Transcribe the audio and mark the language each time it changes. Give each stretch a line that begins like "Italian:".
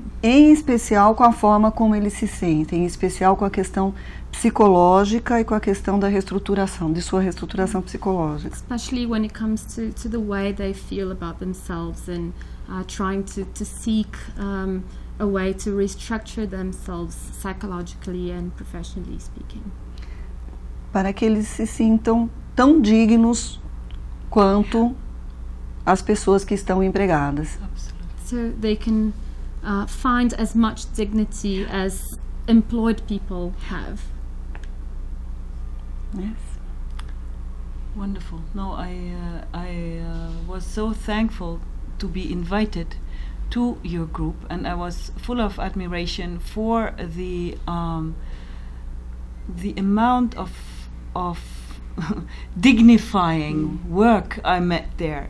Portuguese: Em especial com a forma como eles se sentem, em especial com a questão psicológica e com a questão da reestruturação, de sua reestruturação psicológica.
English: Especially when it comes to the way they feel about themselves and trying to seek a way to restructure themselves psychologically and professionally speaking.
Portuguese: Para que eles se sintam tão dignos quanto as pessoas que estão empregadas.
English: So they can find as much dignity as employed people have. Yes. Wonderful. No, I was so thankful to be invited to your group, and I was full of admiration for the amount of dignifying work I met there.